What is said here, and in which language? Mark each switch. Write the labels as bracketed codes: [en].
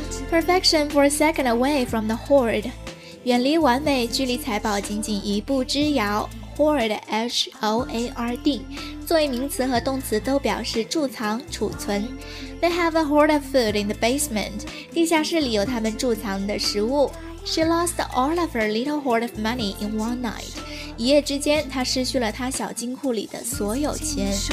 [en] Perfection for a second away from the hoard， [zh] 远离完美，距离财宝仅仅一步之遥。 Hoard, H-O-A-R-D， 作为名词和动词都表示贮藏、储存。 [en] They have a hoard of food in the basement， [zh] 地下室里有他们贮藏的食物。 [en] She lost all of her little hoard of money in one night， [zh] 一夜之间她失去了她小金库里的所有钱。